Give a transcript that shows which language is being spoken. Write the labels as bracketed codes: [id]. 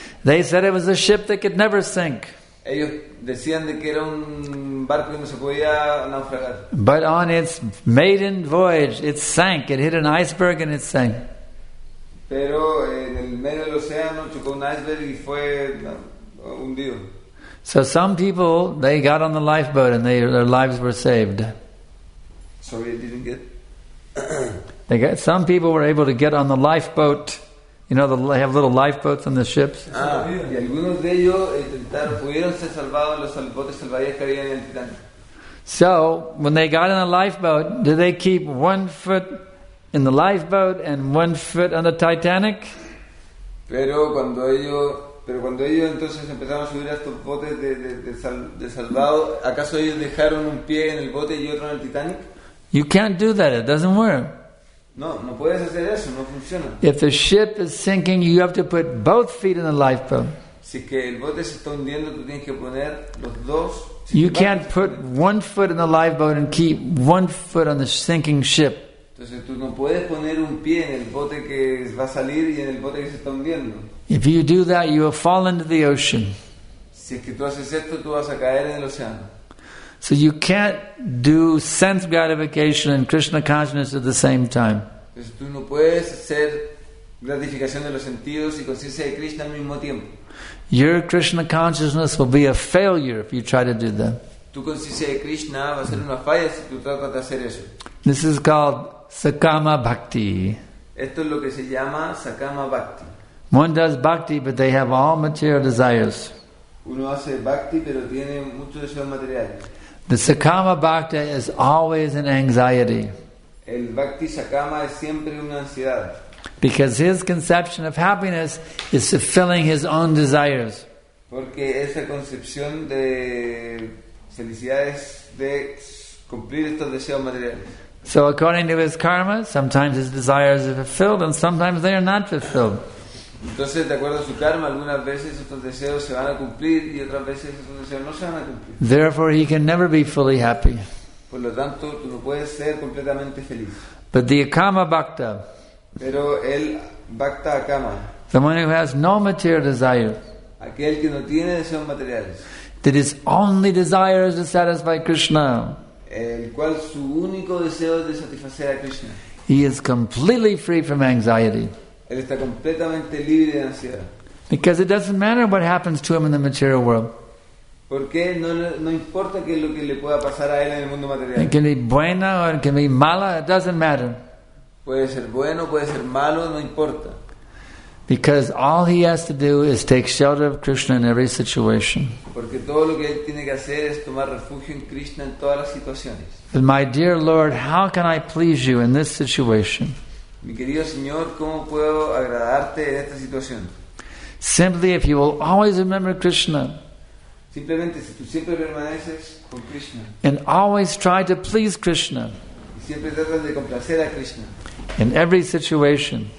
[en] They said it was a ship that could never sink. [es] Ellos decían de que era un barco que no se podía naufragar. [en] But on its maiden voyage, it sank. It hit an iceberg and it sank. [es] Pero en el medio del océano chocó un iceberg y fue hundido. [en] So some people, they got on the lifeboat and their lives were saved. Sorry, I didn't get. They got, some people were able to get on the lifeboat. You know, they have little lifeboats on the ships. [es] Y algunos de ellos intentaron, pudieron ser salvados en los botes salvavidas que había en el Titanic. [en] So, when they got in a lifeboat, did they keep one foot in the lifeboat and one foot on the Titanic? [es] Pero cuando ellos entonces empezaron a subir a estos botes de salvado, ¿acaso ellos dejaron un pie en el bote y otro en el Titanic? [en] You can't do that, it doesn't work. [es] No puedes hacer eso, no funciona. [en] If the ship is sinking, you have to put both feet in the lifeboat. [es] Si que el bote se está hundiendo, tú tienes que poner los dos. [en] You can't put one foot in the lifeboat and keep one foot on the sinking ship. [es] Entonces tú no puedes poner un pie en el bote que va a salir y en el bote que se está hundiendo. [en] If you do that, you will fall into the ocean. [es] Si es que tú haces esto, tú vas a caer en el océano. [en] So you can't do sense gratification and Krishna consciousness at the same time. [es] Entonces tú no puedes hacer gratificación de los sentidos y conciencia de Krishna al mismo tiempo. [en] Your Krishna consciousness will be a failure if you try to do that. [es] Tu conciencia de Krishna va a ser una falla si tú tratas de hacer eso. [en] This is called Sakama Bhakti. [es] Esto es lo que se llama Sakama Bhakti. [en] One does bhakti, but they have all material desires. [es] Uno hace bhakti, pero tiene muchos deseos materiales. [en] The sakama bhakti is always an anxiety. [es] El bhakti sakama es siempre una ansiedad. [en] Because his conception of happiness is fulfilling his own desires. [es] Porque esa concepción de felicidad es de cumplir estos deseos materiales. [en] So according to his karma, sometimes his desires are fulfilled and sometimes they are not fulfilled. [es] Entonces, de acuerdo a su karma, algunas veces estos deseos se van a cumplir y otras veces estos deseos no se van a cumplir. [en] Therefore, he can never be fully happy. [es] Por lo tanto, tú no puedes ser completamente feliz. [en] But the akama bhakta, [es] pero el bhakta akama, [en] the one who has no material desire, [es] aquel que no tiene deseos materiales, [en] that his only desire is to satisfy Krishna, [es] el cual su único deseo es de satisfacer a Krishna, [en] he is completely free from anxiety. [es] Él está completamente libre de ansiedad. [en] Because it doesn't matter what happens to him in the material world. [es] Porque no importa qué es lo que le pueda pasar a él en el mundo material. [en] It can be [es] buena [en] or it can be [es] mala, [en] it doesn't matter. [es] Puede ser bueno, puede ser malo, no importa. [en] Because all he has to do is take shelter of Krishna in every situation. [es] Porque todo lo que él tiene que hacer es tomar refugio en Krishna en todas las situaciones. [en] But my dear Lord, how can I please you in this situation? [es] Mi querido Señor, ¿cómo puedo agradarte en esta situación? [en] Simply if you will always remember Krishna. [es] Simplemente si tú siempre permaneces con Krishna. [en] And always try to please Krishna. [es] Y siempre tratas de complacer a Krishna. [en] In every situation.